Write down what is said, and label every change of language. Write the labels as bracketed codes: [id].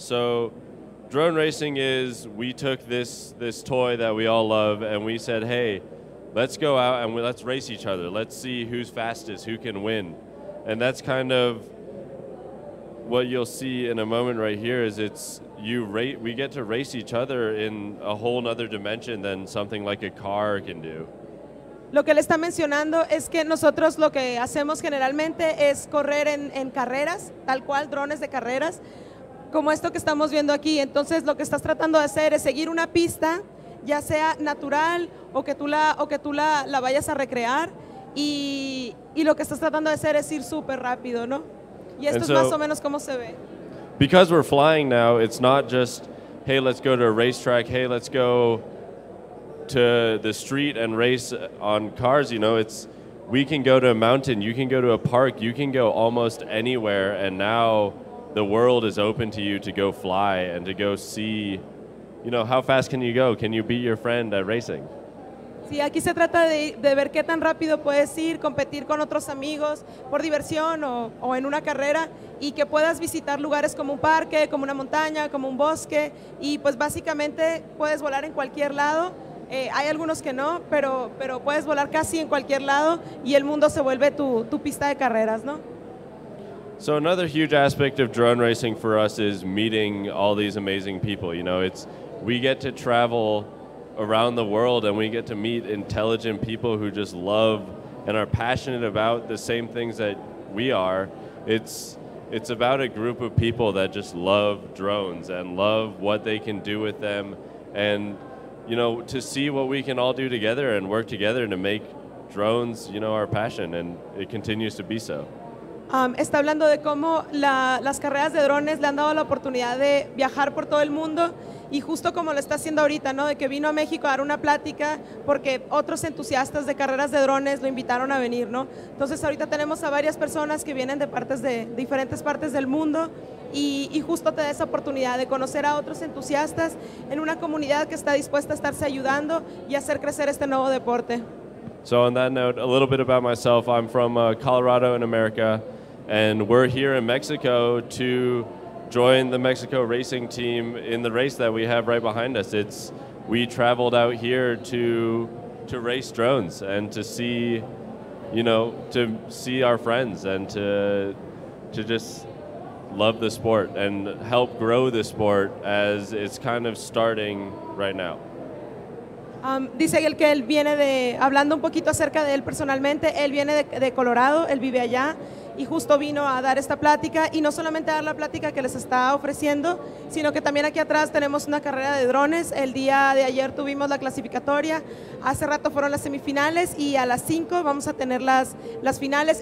[en] So drone racing is, we took this toy that we all love and we said, hey, let's go out and let's race each other. Let's see who's fastest, who can win. And that's kind of what you'll see in a moment right here is we get to race each other in a whole other dimension than something like a car can do. [es] Lo que él está mencionando es que nosotros lo que hacemos generalmente es correr en carreras, tal cual, drones de carreras, como esto que estamos viendo aquí. Entonces, lo que estás tratando de hacer es seguir una pista, ya sea natural o que tú la vayas a recrear, y lo que estás tratando de hacer es ir súper rápido, ¿no? Y esto es más o menos cómo se ve. [en] Because we're flying now, it's not just, hey, let's go to a racetrack, hey, let's go to the street and race on cars, you know, we can go to a mountain, you can go to a park, you can go almost anywhere, and now the world is open to you to go fly and to go see, you know, how fast can you go? Can you beat your friend at racing? [es] Sí, aquí se trata de ver qué tan rápido puedes ir, competir con otros amigos por diversión o en una carrera, y que puedas visitar lugares como un parque, como una montaña, como un bosque, y pues básicamente puedes volar en cualquier lado. Hay algunos que no, pero puedes volar casi en cualquier lado y el mundo se vuelve tu pista de carreras, ¿no? [en] So another huge aspect of drone racing for us is meeting all these amazing people. You know, we get to travel around the world and we get to meet intelligent people who just love and are passionate about the same things that we are. It's about a group of people that just love drones and love what they can do with them, and you know, to see what we can all do together and work together to make drones, you know, our passion, and it continues to be so. [es] Está hablando de cómo las carreras de drones le han dado la oportunidad de viajar por todo el mundo, y justo como lo está haciendo ahorita, ¿no? De que vino a México a dar una plática porque otros entusiastas de carreras de drones lo invitaron a venir, ¿no? Entonces ahorita tenemos a varias personas que vienen de diferentes partes del mundo, y justo te da esa oportunidad de conocer a otros entusiastas en una comunidad que está dispuesta a estarse ayudando y hacer crecer este nuevo deporte. [en] So on that note, a little bit about myself. I'm from Colorado in America, and we're here in Mexico to join the Mexico racing team in the race that we have right behind us. We traveled out here to race drones and to see, you know, to see our friends and to just love the sport and help grow the sport as it's kind of starting right now. [es] Dice el que él viene de, hablando un poquito acerca de él personalmente, él viene de Colorado, él vive allá, y justo vino a dar esta plática, y no solamente a dar la plática que les está ofreciendo, sino que también aquí atrás tenemos una carrera de drones. El día de ayer tuvimos la clasificatoria, hace rato fueron las semifinales, y a las 5 vamos a tener las finales.